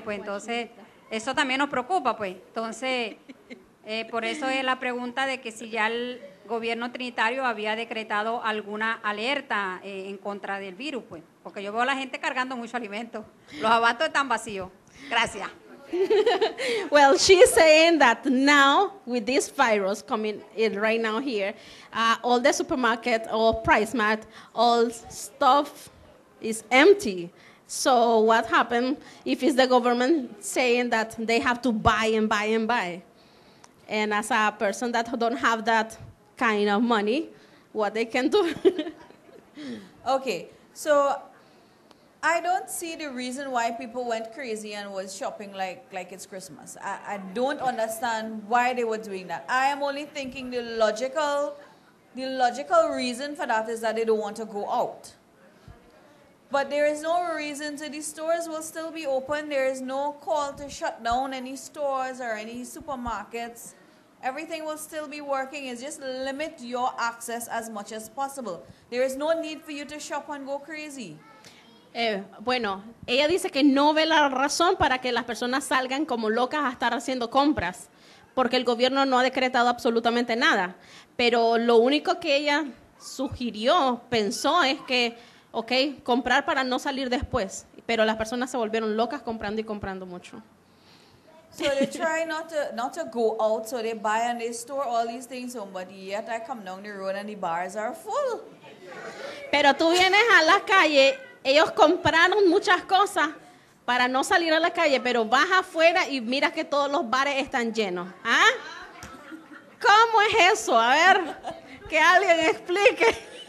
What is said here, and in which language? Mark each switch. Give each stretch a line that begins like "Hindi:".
Spanish: Pues entonces, eso también nos preocupa, pues. Entonces... por eso es la pregunta de que si ya el gobierno trinitario había decretado alguna alerta en contra del virus, pues, porque yo veo a la gente cargando mucho alimento. Los abastos están vacíos. Gracias.
English: Well, she's saying that now with this virus coming in right now here, all the supermarket or price mart, all stuff is empty. So what happened if it's the government saying that they have to buy and buy and buy? And as a person that don't have that kind of money, what they can do? Okay, so I don't see the reason why people went crazy and was shopping like it's Christmas. I don't understand why they were doing that. I am only thinking the logical reason for that is that they don't want to go out. But there is no reason, so the stores will still be open. There is no call to shut down any stores or any supermarkets. Everything will still be working. It's just limit your access as much as possible. There is no need for you to shop and go crazy.
Spanish: Bueno, ella dice que no ve la razón para que las personas salgan como locas a estar haciendo compras, porque el gobierno no ha decretado absolutamente nada. Pero lo único que ella sugirió, pensó, es que, okay, comprar para no salir después. Pero las personas se volvieron locas comprando y comprando mucho.
English: So they try not to go out, so they buy and they store all these things home, but yet I come down the road and the bars are full.
Spanish: Pero tú vienes a la calle, ellos compraron muchas cosas para no salir a la calle, pero vas afuera y miras que todos los bares están llenos. ¿Ah? ¿Cómo es eso? A ver, que alguien explique.